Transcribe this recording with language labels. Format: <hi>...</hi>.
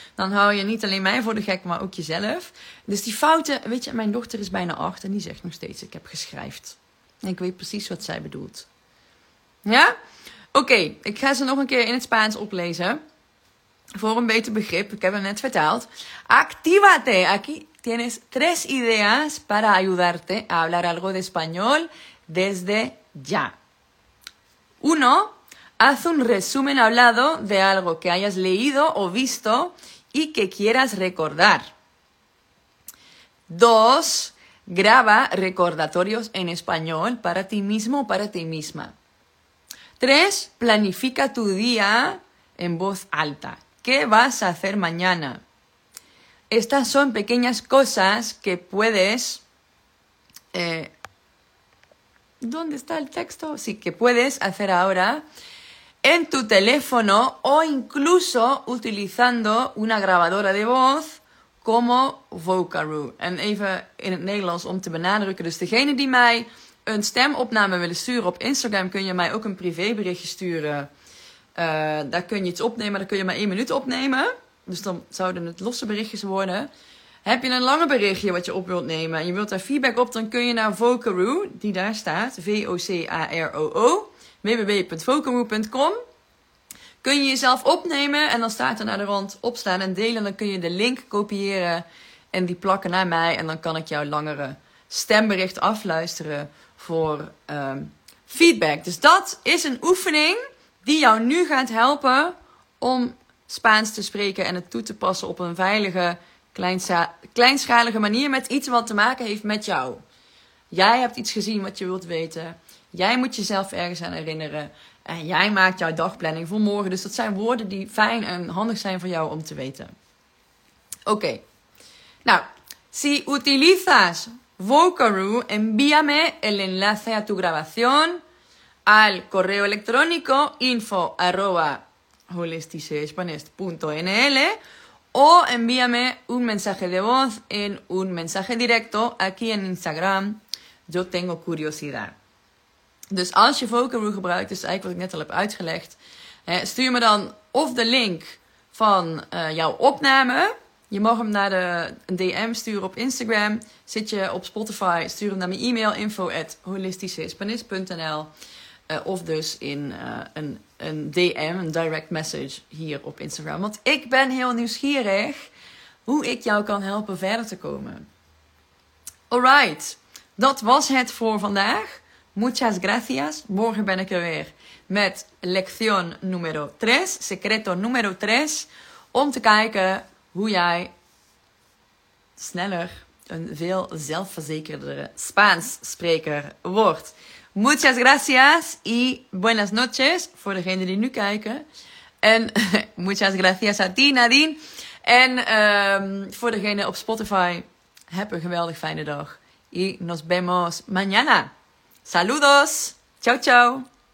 <nl>Dan hou je niet alleen mij voor de gek, maar ook jezelf. Dus die fouten, weet je, mijn dochter is bijna 8 en die zegt nog steeds, ik heb geschrijft. En ik weet precies wat zij bedoelt. Ja? Oké, ik ga ze nog een keer in het Spaans oplezen. Voor een beter begrip, ik heb hem net vertaald.</nl> <es>Actívate, aquí tienes tres ideas para ayudarte a hablar algo de español desde ya. 1. Haz un resumen hablado de algo que hayas leído o visto y que quieras recordar. 2. Graba recordatorios en español para ti mismo o para ti misma. 3. Planifica tu día en voz alta. ¿Qué vas a hacer mañana? Estas son pequeñas cosas que puedes... ¿Dónde está el texto? Sí, que puedes hacer ahora en tu teléfono o incluso utilizando una grabadora de voz como Vocaroo.</es> <nl>En even in het Nederlands om te benadrukken. Dus degene die mij een stemopname willen sturen op Instagram, kun je mij ook een privéberichtje sturen. Daar kun je iets opnemen, daar kun je maar 1 minuut opnemen. Dus dan zouden het losse berichtjes worden. Heb je een lange berichtje wat je op wilt nemen en je wilt daar feedback op, dan kun je naar Vocaroo, die daar staat, V-O-C-A-R-O-O, www.vocaroo.com. Kun je jezelf opnemen en dan staat er naar de rand opstaan en delen. Dan kun je de link kopiëren en die plakken naar mij en dan kan ik jouw langere stembericht afluisteren voor feedback. Dus dat is een oefening die jou nu gaat helpen om Spaans te spreken en het toe te passen op een veilige, kleinschalige manier met iets wat te maken heeft met jou. Jij hebt iets gezien wat je wilt weten. Jij moet jezelf ergens aan herinneren. En jij maakt jouw dagplanning voor morgen. Dus dat zijn woorden die fijn en handig zijn voor jou om te weten. Oké.</nl> <es>Nada, si utilizas Vocaroo, envíame el enlace a tu grabación al correo electrónico info@holisticespanish.nl o envíame un mensaje de voz en un mensaje directo aquí en Instagram. Yo tengo curiosidad.</es> <nl>Dus als je Vocaroo gebruikt, dus eigenlijk wat ik net al heb uitgelegd, stuur me dan of de link van jouw opname. Je mag hem naar een DM sturen op Instagram. Zit je op Spotify, stuur hem naar mijn e-mail info@holisticespanish.nl. Of dus in een DM, een direct message hier op Instagram. Want ik ben heel nieuwsgierig hoe ik jou kan helpen verder te komen.</nl> <en>Alright,</en> <nl>dat was het voor vandaag.</nl> <es>Muchas gracias.</es> <nl>Morgen ben ik er weer met</nl> <es>lección número 3, secreto número 3.</es> <nl>Om te kijken hoe jij sneller een veel zelfverzekerdere Spaans spreker wordt.</nl> <es>Muchas gracias y buenas noches</es> <nl>voor degenen die nu kijken.</nl> <es>En muchas gracias a ti, Nadine.</es> <nl>En voor degenen op Spotify, heb een geweldig fijne dag.</nl> <es>Y nos vemos mañana. Saludos. Ciao, ciao.</es>